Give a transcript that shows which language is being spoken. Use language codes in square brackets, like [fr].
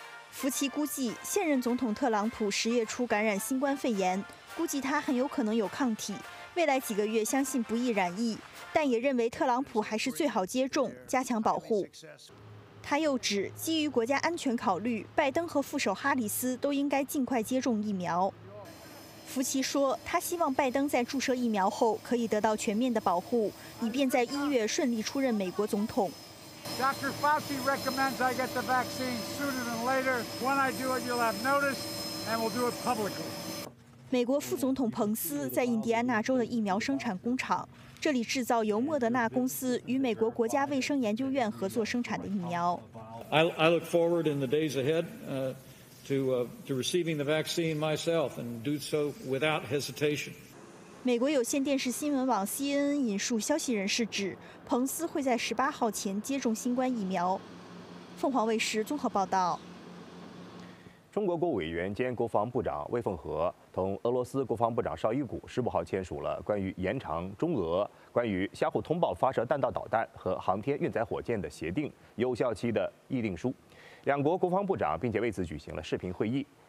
[zh] 福奇估计，现任总统特朗普10月初感染新冠肺炎，估计他很有可能有抗体，未来几个月相信不易染疫，但也认为特朗普还是最好接种，加强保护。他又指，基于国家安全考虑，拜登和副手哈里斯都应该尽快接种疫苗。福奇说，他希望拜登在注射疫苗后可以得到全面的保护，以便在1月顺利出任美国总统。 [en] Dr. Fauci recommends I get the vaccine sooner than later. When I do it, you'll have notice, and we'll do it publicly. [zh] 美国副总统彭斯在印第安纳州的疫苗生产工厂。这里制造由莫德纳公司与美国国家卫生研究院合作生产的疫苗。 [en] I look forward in the days ahead to receiving the vaccine myself and do so without hesitation. [zh] 美国有线电视新闻网 CNN 引述消息人士指，彭斯会在18号前接种新冠疫苗。凤凰卫视综合报道。中国国务委员兼国防部长魏凤和同俄罗斯国防部长绍伊古15号签署了关于延长中俄关于相互通报发射弹道导弹和航天运载火箭的协定有效期的议定书，两国国防部长并且为此举行了视频会议。